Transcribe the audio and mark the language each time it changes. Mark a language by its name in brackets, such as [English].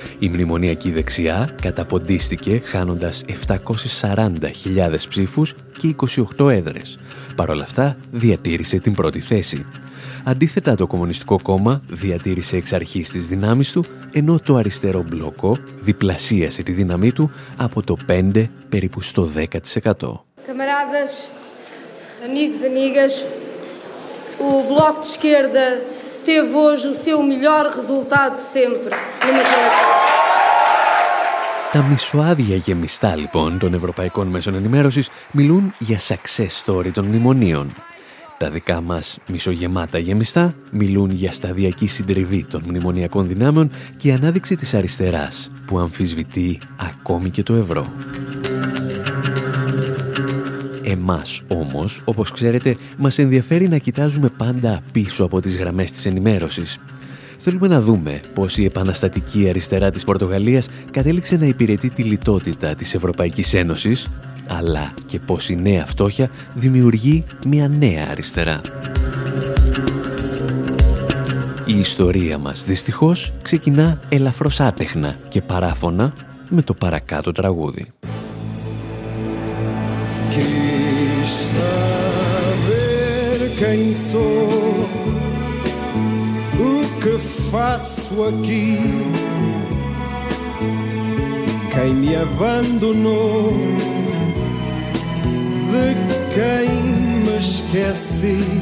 [Greek] Η μνημονιακή δεξιά καταποντίστηκε χάνοντας 740.000 ψήφους και 28 έδρες. Παρ' όλα αυτά, διατήρησε την πρώτη θέση. Αντίθετα, το Κομμουνιστικό Κόμμα διατήρησε εξ αρχής τις δυνάμεις του, ενώ το αριστερό μπλόκο διπλασίασε τη δύναμή του από το 5 περίπου στο 10%. [Portuguese] Καμαράδες, amigos, amigas. O Bloco de Esquerda teve hoje o seu melhor resultado sempre. [Greek] Τα μισοάδια γεμιστά λοιπόν των ευρωπαϊκών μέσων ενημέρωσης μιλούν για [English] success story [Greek] των μνημονίων. Τα δικά μας μισογεμάτα γεμιστά μιλούν για σταδιακή συντριβή των μνημονιακών δυνάμεων και ανάδειξη της αριστεράς που αμφισβητεί ακόμη και το ευρώ. Εμάς όμως, όπως ξέρετε, μας ενδιαφέρει να κοιτάζουμε πάντα πίσω από τις γραμμές της ενημέρωσης. Θέλουμε να δούμε πώς η επαναστατική αριστερά της Πορτογαλίας κατέληξε να υπηρετεί τη λιτότητα της Ευρωπαϊκής Ένωσης, αλλά και πώς η νέα φτώχεια δημιουργεί μια νέα αριστερά. Η ιστορία μας, δυστυχώς, ξεκινά ελαφρώς άτεχνα και παράφωνα με το παρακάτω τραγούδι. [Portuguese] Quis saber quem sou, o que faço aqui, quem me abandonou, de quem me esqueci.